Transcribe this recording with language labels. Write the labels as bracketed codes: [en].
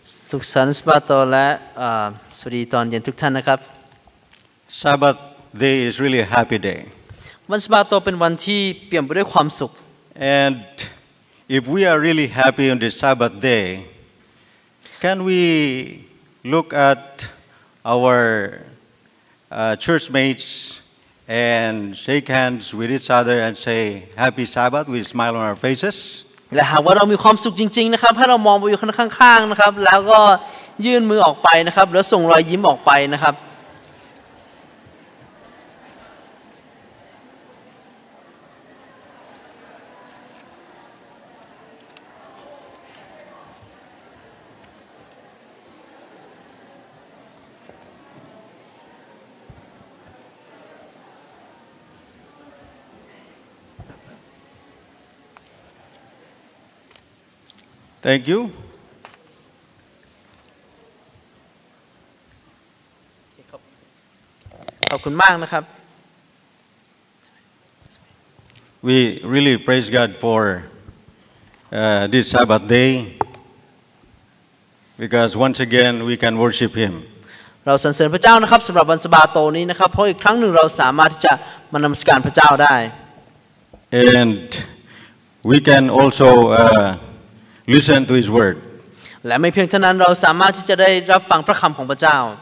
[th] สุขสันต์สบายตัวและสวัสดีตอนเย็นทุกท่านนะครับ [en] Sabbath day is really a happy day. [th] วันสบาโตเป็นวันที่เปี่ยมไปด้วยความสุข [en] And if we are really happy on this Sabbath day, can we look at our church mates and shake hands with each other and say Happy Sabbath with a smile on our faces? [th] และหากว่าเรามีความสุขจริงๆนะครับให้เรามองไปอยู่ข้างๆนะครับแล้วก็ยื่นมือออกไปนะครับแล้วส่งรอยยิ้มออกไปนะครับ [en] Thank you. [th] ขอบคุณมากนะครับ [en] We really praise God for this Sabbath day because once again we can worship Him. [th] เราสรรเสริญพระเจ้านะครับสำหรับวันสะบาโตนี้นะครับเพราะอีกครั้งหนึ่งเราสามารถที่จะมานมัสการพระเจ้าได้ [en] And we can also listen to his word [th] และไม่เพียงเท่านั้นเราสามารถที่จะได้รับฟังพระคําของพระเจ้า